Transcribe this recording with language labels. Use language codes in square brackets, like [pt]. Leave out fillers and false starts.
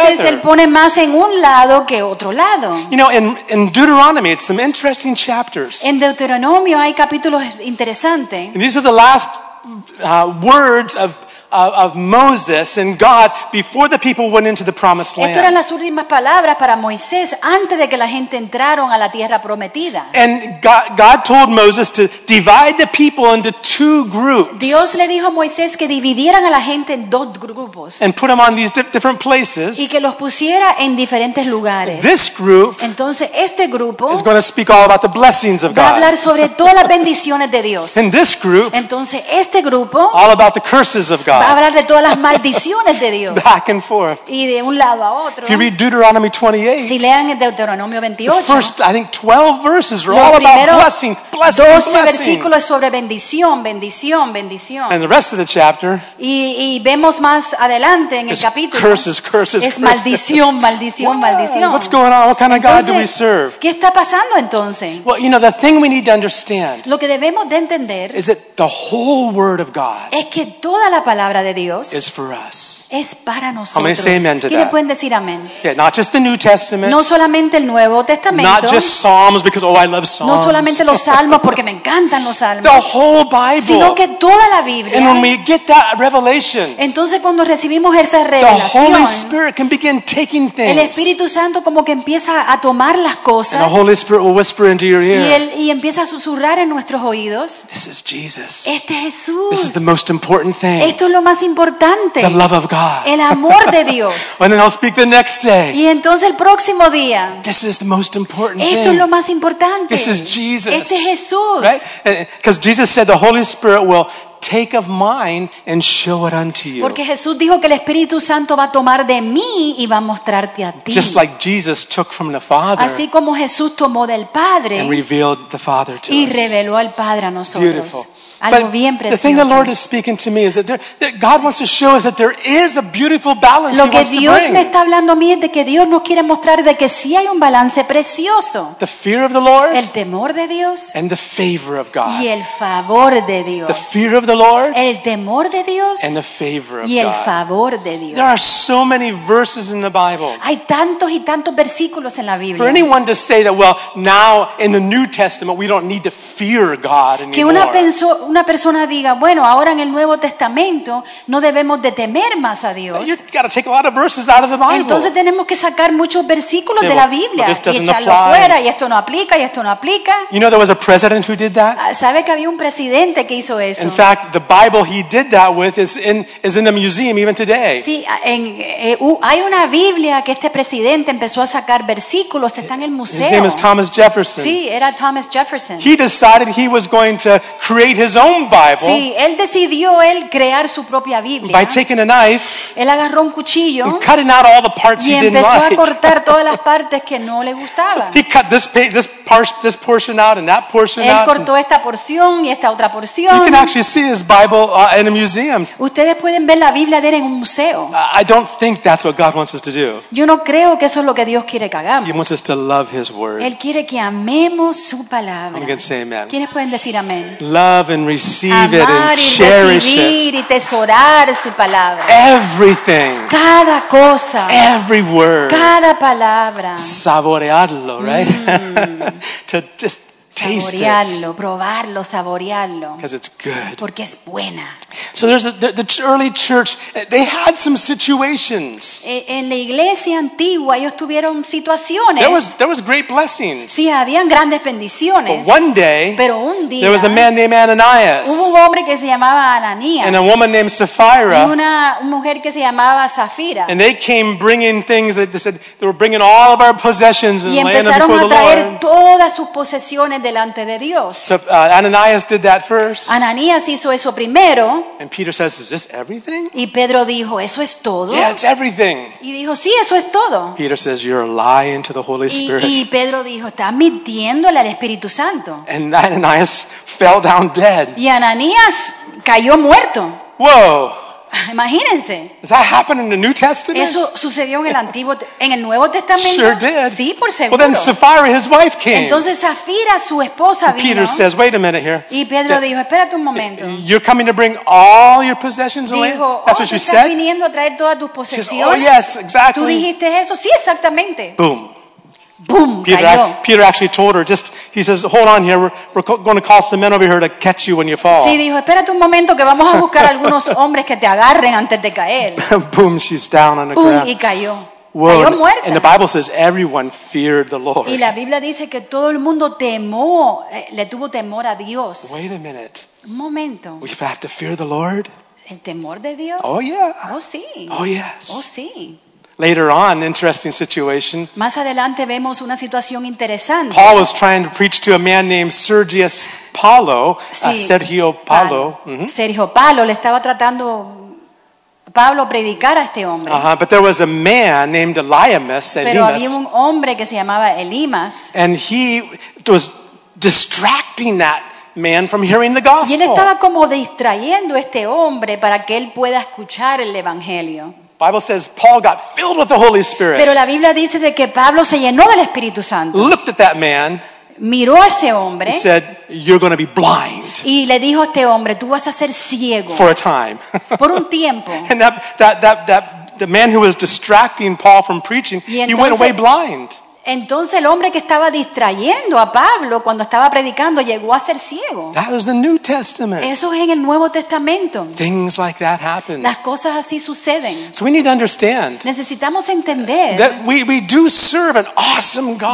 [es] A veces él pone más en un lado que otro lado. [en] You know, in Deuteronomy, it's some interesting chapters. [es] En Deuteronomio hay capítulos interesantes. [en] And these are the last words of Moses and God before the people went into the promised land. [es] Estas eran las últimas palabras para Moisés antes de que la gente entraron a la tierra prometida. [en] And God told Moses to divide the people into two groups. [es] Dios le dijo a Moisés que dividieran a la gente en dos grupos. [en] And put them on these different places. [es] Y que los pusiera en diferentes lugares. [en] This group, [es] entonces este grupo, [en] is going to speak all about the blessings of God. [es] Va a hablar sobre todas las bendiciones de Dios. [en] And this group, [es] entonces este grupo, [en] all about the curses of God. [es] Va a hablar de todas las maldiciones de Dios. [en] Back and forth. [es] Y de un lado a otro. [en] If you read Deuteronomy 28, [es] si lean el Deuteronomio 28, [en] the first, I think, 12 verses are all about blessing, blessing, 12 blessing. [es] 12 versículos sobre bendición, bendición, bendición. [en] And the rest of the chapter, [es] y vemos más adelante en el capítulo, [en] curses, curses, [es] es maldición, maldición, wow, maldición. [en] What's going on? What kind of [es] entonces, [en] God do we serve? [es] ¿Qué está pasando entonces? [en] Well, you know, the thing we need to understand, [es] lo que debemos de entender, [en] is that the whole Word of God, [es] es que toda la palabra de Dios [en] is for us. [es] Es para nosotros. [en] How many say amen to that? [es] ¿Quiénes pueden decir amén? [en] Yeah, not just the New Testament. [es] No solamente el Nuevo Testamento. [en] Not just Psalms because oh I love Psalms. [es] No solamente los Salmos porque me encantan los Salmos. [en] The whole Bible. [es] Sino que toda la Biblia. [en] And when we get that revelation. [es] Entonces cuando recibimos esa revelación. [en] The Holy Spirit can begin taking things. [es] El Espíritu Santo como que empieza a tomar las cosas. [en] And the Holy Spirit will whisper into your ear. [es] Y empieza a susurrar en nuestros oídos. [en] This is Jesus. [es] Este es Jesús. [en] This is the most important thing. [es] Esto es lo más importante. [en] The love of God. [es] El amor de Dios. [en] And then I'll speak the next day. [es] Y entonces el próximo día. [en] This is the most important [es] esto [en] thing. [es] Es lo más importante. [en] This is Jesus. [es] Este es Jesús. [en] Right? Because Jesus said the Holy Spirit will take of mine and show it unto you. [es] Porque Jesús dijo que el Espíritu Santo va a tomar de mí y va a mostrarte a ti. [en] Just like Jesus took from the Father. [es] Así como Jesús tomó del Padre. [en] And revealed the Father to us. [es] Y reveló al Padre a nosotros. [en] Beautiful. [es] Algo bien precioso. [en] The thing the Lord is speaking to me is that, that God wants to show us that there is a beautiful balance. [es] Lo que Dios me está hablando a mí es de que Dios nos quiere mostrar de que sí hay un balance precioso. [en] The fear of the Lord. [es] El temor de Dios. [en] And the favor of God. [es] Y el favor de Dios. [en] The fear of the Lord. [es] El temor de Dios. [en] And the favor of God. [es] Y el favor de Dios. [en] There are so many verses in the Bible. [es] Hay tantos y tantos versículos en la Biblia. [en] For anyone to say that, well, now in the New Testament we don't need to fear God anymore. [es] Que una persona diga, bueno, ahora en el Nuevo Testamento no debemos de temer más a Dios. Entonces tenemos que sacar muchos versículos de la Biblia y echarlos fuera, y esto no aplica, y esto no aplica. [en] You know, there was a president who did that? [es] ¿Sabe que había un presidente que hizo eso? [en] In fact, the Bible he did that with is in the museum even today. [es] Sí, hay una Biblia que este presidente empezó a sacar versículos, está en el museo. [en] His name is Thomas Jefferson. [es] Sí, era Thomas Jefferson. [en] He decided he was going to create his own Bible. [es] Sí, él decidió él crear su propia Biblia. [en] By taking a knife. [es] Él agarró un cuchillo. [en] And cutting out all the parts he didn't like. [es] Y empezó a cortar todas las partes que no le gustaban. [en] So he cut this portion out and that portion out. [es] Él cortó esta porción y esta otra porción. [en] You can actually see his Bible in a museum. [es] Ustedes pueden ver la Biblia de él en un museo. [en] I don't think that's what God wants us to do. [es] Yo no creo que eso es lo que Dios quiere que hagamos. [en] He wants us to love His Word. [es] Él quiere que amemos su palabra. [en] I'm going to say amen. [es] ¿Quiénes pueden decir amén? [en] Love and receive it and cherish it. [es] Amar y recibir y tesorar su palabra. [en] Everything. [es] Cada cosa. [en] Every word. [es] Cada palabra. Saborearlo, [en] right? To just taste it. [es] Saborearlo, probarlo, saborearlo. [en] Because it's good. [es] Porque es buena. [en] So there's the early church, they had some situations. [es] En la iglesia antigua ellos tuvieron situaciones. [en] There was great blessings. [es] Sí, habían grandes bendiciones. [en] But one day, [es] pero un día, [en] there was a man named Ananias. [es] Hubo un hombre que se llamaba Ananías. [en] And a woman named Sapphira. [es] Y una mujer que se llamaba Zafira. [en] And they came bringing things that they said they were bringing all of our possessions and laying them before the Lord. [es] Y empezaron a traer todas sus posesiones delante de Dios. [en] So, Ananias did that first. [es] Ananías hizo eso primero. [en] And Peter says, "Is this everything?" [es] Y Pedro dijo, "¿Eso es todo?" [en] Yeah, it's everything. [es] Y dijo, "Sí, eso es todo." [en] Peter says, "You're lying to the Holy Spirit." [es] Y Pedro dijo, "Estás mintiéndole al Espíritu Santo." [en] And Ananias fell down dead. [es] Y Ananías cayó muerto. Whoa. Imagínense. [en] Does that happen in the New Testament? [es] Eso sucedió en el antiguo, en el Nuevo Testamento. [en] Sure did. [es] Sí, por seguro. [en] Well, then Sapphira, his wife, came. [es] Entonces Zafira, su esposa, vino. [en] Peter says, "Wait a minute here." [es] Y Pedro dijo, "Espérate un momento." [en] You're coming to bring all your possessions away. [es] Dijo, [en] "That's what you said." [es] Estás viniendo a traer todas tus posesiones. [en] She says, "Oh yes, exactly." [es] Tú dijiste eso, sí, exactamente. Boom. Boom, [en] Peter actually told her, just he says, "Hold on here, we're going to call some men over here to catch you when you fall." [es] Sí, dijo, "Espérate un momento que vamos a buscar algunos hombres que te agarren antes de caer." [en] Boom, she's down on the boom, ground. [es] Boom, y cayó. Whoa. Cayó muerta. [en] And the Bible says everyone feared the Lord. [es] Y la Biblia dice que todo el mundo temó, le tuvo temor a Dios. [en] Wait a minute. [es] Un momento. [en] We have to fear the Lord? [es] El temor de Dios. [en] Oh yeah. [es] Oh sí. [en] Oh yes. [es] Oh sí. [en] Later on, interesting situation. [es] Más adelante vemos una situación interesante. [en] Paul was trying to preach to a man named Sergius Paulo, [es] sí, Sergio Paulo. Sergio Paulo le estaba tratando Pablo predicar a este hombre. [en] But there was a man named Elymas. [es] Pero había un hombre que se llamaba Elimas. [en] And he was distracting that man from hearing the gospel. [es] Y él estaba como distrayendo a este hombre para que él pueda escuchar el evangelio. [en] Bible says Paul got filled with the Holy Spirit. [es] Pero la Biblia dice de que Pablo se llenó del Espíritu Santo. [en] Looked at that man. [es] Miró a ese hombre. [en] He said, "You're going to be blind." [es] Y le dijo a este hombre, "Tú vas a ser ciego." [en] For a time. [es] Por un tiempo. [en] And that the man who was distracting Paul from preaching, [es] entonces, [en] he went away blind. [es] Entonces el hombre que estaba distrayendo a Pablo cuando estaba predicando llegó a ser ciego. [en] That was the New Testament. [es] Eso es en el Nuevo Testamento. [en] Things like that happen. [es] Las cosas así suceden. [en] So we need to understand. [es] Necesitamos entender. [en] That we do serve an awesome God.